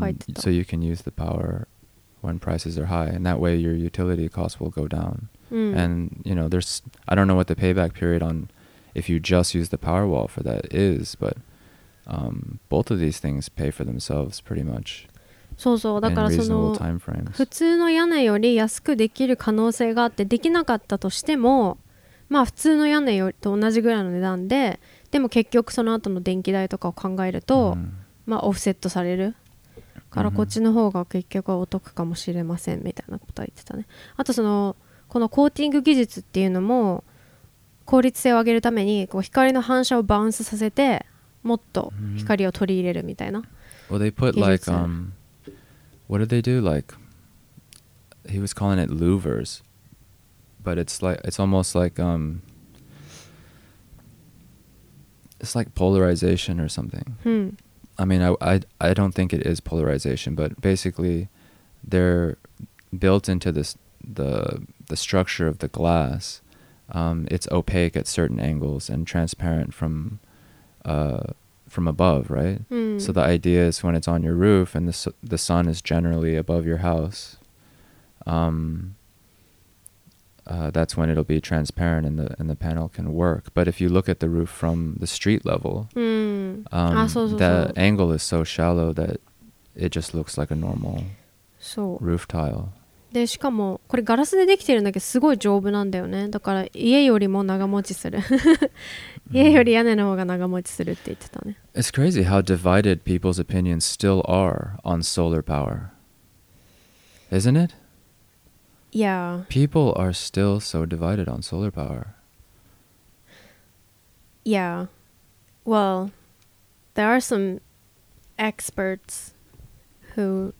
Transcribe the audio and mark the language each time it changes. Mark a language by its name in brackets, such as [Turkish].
[Japanese] 書いてた。 [English] So you can use the power when prices are high, and that way your utility costs will go down. And you know, there's I don't know what the payback period on if you just use the power wall for that is, but both of these things pay for themselves pretty much. [Japanese] そうそう、だからその普通の屋根より安くできる可能性があって、できなかったとしてもまあ普通の屋根と同じぐらいの値段で、でも結局その後の電気代とかを考えると、うん、まあオフセットされるからこっちの方が結局はお得かもしれませんみたいなこと言ってたね。あとそのこのコーティング技術っていうのも効率性を上げるために、こう光の反射をバウンスさせてもっと光を取り入れるみたいな技術。 [English] Well, they put like, what did they do? Like, he was calling it louvers, but it's like, it's almost like, it's like polarization or something. I mean, I don't think it is polarization, but basically they're built into this, the structure of the glass. It's opaque at certain angles and transparent from above, right? So the idea is when it's on your roof and the sun is generally above your house, that's when it'll be transparent and the panel can work. But if you look at the roof from the street level, the angle is so shallow that it just looks like a normal roof tile. [Japanese] でしかもこれガラスでできてるんだけどすごい丈夫なんだよね。だから家よりも長持ちする家より屋根の方が長持ちするって言ってたね。 [English] It's crazy how divided people's opinions still are on solar power, isn't it? Yeah. People are still so divided on solar power. Yeah. Well, there are some experts who